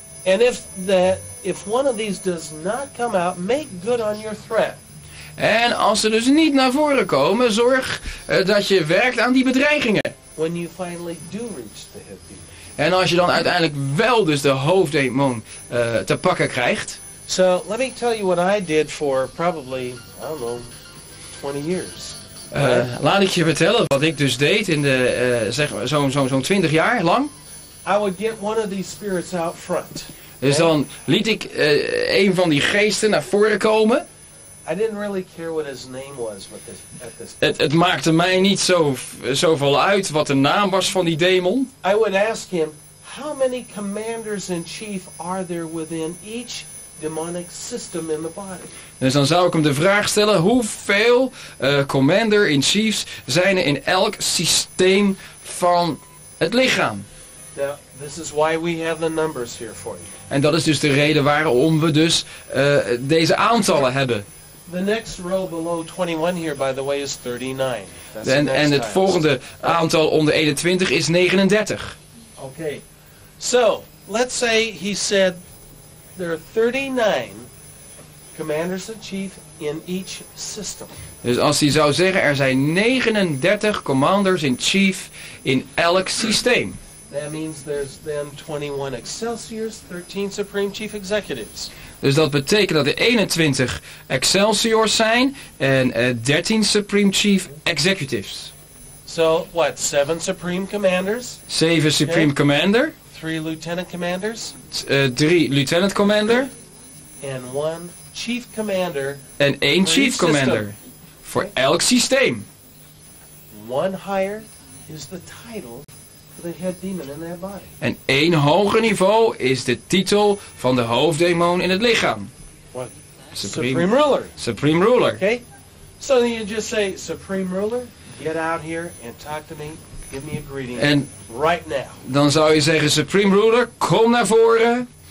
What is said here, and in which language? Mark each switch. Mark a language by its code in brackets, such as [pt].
[en] And if one of these does not come out, make good on your threat. [nl] En als ze dus niet naar voren komen, zorg dat je werkt aan die bedreigingen. [en] When you finally do reach the head demon. [nl] En als je dan uiteindelijk wel dus de hoofddemon te pakken krijgt. [en] So let me tell you what I did for probably, I don't know, 20 years. [nl] Laat ik je vertellen wat ik dus deed in de zo'n 20 jaar lang. [en] I would get one of these spirits out front. [nl] Dus dan liet ik een van die geesten naar voren komen. [en] I didn't really care what his name was at this point. [nl] Het maakte mij niet zoveel uit wat de naam was van die demon. [en] I would ask him, how many commanders in chief are there within each demonic system in the body? [nl] Dus dan zou ik hem de vraag stellen, hoeveel commander in chiefs zijn er in elk systeem van het lichaam? [en] Now, this is why we have the numbers here for you. [nl] En dat is dus de reden waarom we dus deze aantallen hebben. [en] The next row below 21 here, by the way, is 39. [nl] En het volgende aantal onder 21 is 39. [en] Okay. So, let's say he said there are 39 commanders in chief in each system. [nl] Dus als hij zou zeggen er zijn 39 commanders in chief in elk systeem. [en] That means there's then 21 Excelsiors, 13 Supreme Chief Executives. [nl] Dus dat betekent dat er 21 Excelsiors zijn en 13 Supreme Chief Executives. [en] So what, 7 Supreme Commanders? 7 Supreme Commander. 3 Lieutenant Commanders. 3 Lieutenant Commander. And 1 Chief Commander. [nl] En 1 Chief Commander voor elk systeem. [en] One higher is the title. The head demon in their body. [nl] En één hoger niveau is de titel van de hoofddemon in het lichaam. [en] What? Supreme ruler. Supreme ruler. Okay. So then you just say, Supreme ruler, get out here and talk to me. Give me a greeting. [nl] En [en] right now. [nl] Dan zou je zeggen, Supreme ruler, kom naar voren.